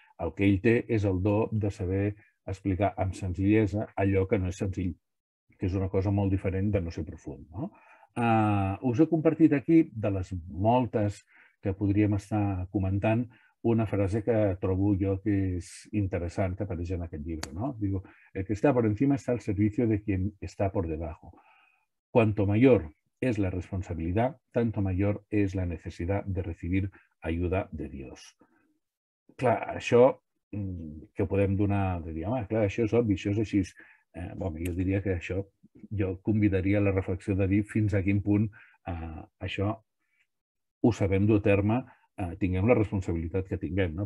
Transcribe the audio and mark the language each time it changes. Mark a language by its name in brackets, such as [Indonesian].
[Catalan] El que ell té és el do de saber explicar amb senzillesa allò que no és senzill, que és una cosa molt diferent de no ser profund. No? Us he compartit aquí, de les moltes que podríem estar comentant, una frase que trobo jo que és interessant, que apareix en aquest llibre. No? [Spanish] Digo, el que està por encima està al servicio de quien está por debajo. Cuanto mayor es la responsabilidad, tanto mayor es la necesidad de recibir ayuda de Dios. [Catalan] Clar, això que ho podem donar, diria, ah, clar, això és obvi, això és així. Bé, jo diria que això, jo convidaria la reflexió de dir fins a quin punt això ho sabem dur a terme, tinguem la responsabilitat que tinguem, no?